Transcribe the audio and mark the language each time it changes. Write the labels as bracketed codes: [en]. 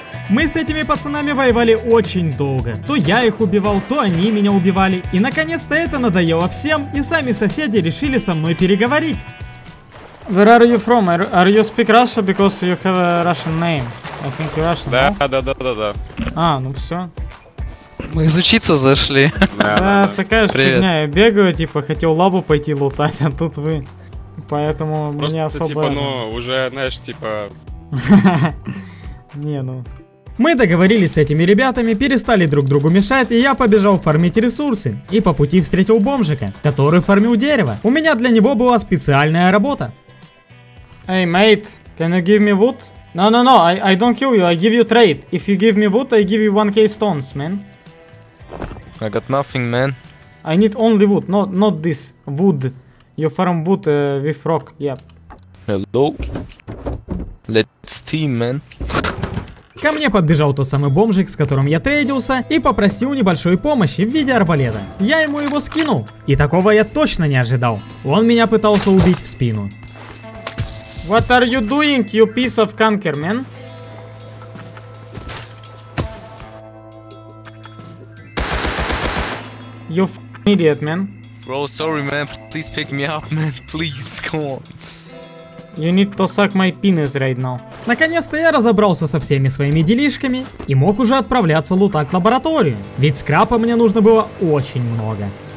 [ru] Мы с этими пацанами воевали очень долго. То я их убивал, то они меня убивали. И наконец-то это надоело всем, и сами соседи решили со мной переговорить. [en] Where are you from? Are you speak Russia? Because you have a Russian name. I think you're Russian, [ru] да? Да, да, да, да, да. А, ну все. Мы из учиться зашли. Да, такая же фигня. Я бегаю, типа, хотел лабу пойти лутать, а тут вы. Поэтому мне особо... Просто, типа, ну, уже, знаешь, типа... Не, ну... Мы договорились с этими ребятами, перестали друг другу мешать, и я побежал фармить ресурсы. И по пути встретил бомжика, который фармил дерево. У меня для него была специальная работа. Эй, мейт, [en] can you give me wood? No, no, no, I don't kill you, I give you trade. If you give me wood, I give you 1k stones, man. I got nothing, man. I need only wood, not this wood. You farm wood with rock, yep. Hello? Let's team, man. [ru] Ко мне подбежал тот самый бомжик, с которым я трейдился, и попросил небольшой помощи в виде арбалета. Я ему его скинул, и такого я точно не ожидал. Он меня пытался убить в спину. [en] What are you doing, you piece of conker, man? You f***ing idiot, man. Bro, sorry, man. Please pick me up, man. Please, come on. You need to suck my penis right now. [ru] Наконец-то я разобрался со всеми своими делишками и мог уже отправляться лутать лабораторию. Ведь скрапа мне нужно было очень много.